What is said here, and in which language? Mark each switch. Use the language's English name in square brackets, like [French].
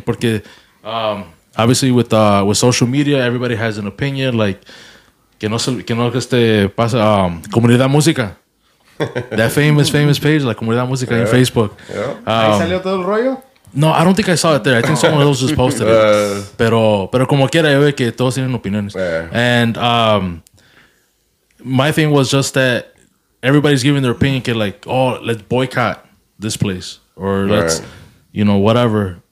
[English] Porque obviously with social media, everybody has an opinion. [Spanish] Like, que no Comunidad Música. [English] That famous page, like Comunidad Música en Facebook. Yeah. [Spanish] ¿Ahí salió todo el rollo? [English] No, I don't think I saw it there. I think someone else just posted it. [Spanish] Pero como quiera, yo veo que todos tienen opiniones. [English] Yeah. And my thing was just that everybody's giving their opinion, kid, like, oh, let's boycott this place or let's, right, you know, whatever.